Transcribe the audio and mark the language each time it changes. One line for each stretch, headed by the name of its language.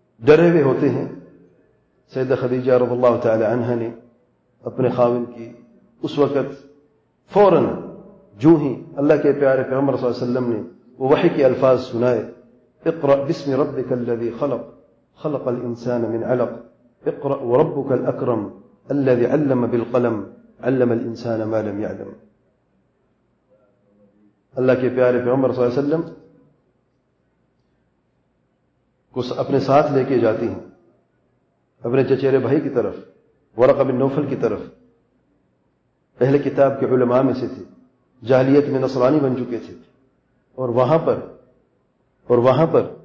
Urdu: ڈرے ہوئے ہوتے ہیں۔ سیدہ خدیجہ رضی اللہ تعالی عنہا نے اپنے خاوند کی اس وقت فوراً جو ہی اللہ کے پیارے پیغمبر صلی اللہ علیہ وسلم نے وہ وحی کے الفاظ سنائے،
Arabic: اقرأ بسم ربک الذی خلق خلق الانسان من علق اقرأ وربك الأكرم الذي علم بالقلم علم الإنسان ما لم يعلم.
Urdu: اللہ کے پیارے پیغمبر صلی اللہ علیہ وسلم کو اپنے ساتھ لے کے جاتی ہیں اپنے چچیرے بھائی کی طرف, ورقہ بن نوفل کی طرف, اہل کتاب کے علماء میں سے تھے, جاہلیت میں نصرانی بن چکے تھے, اور وہاں پر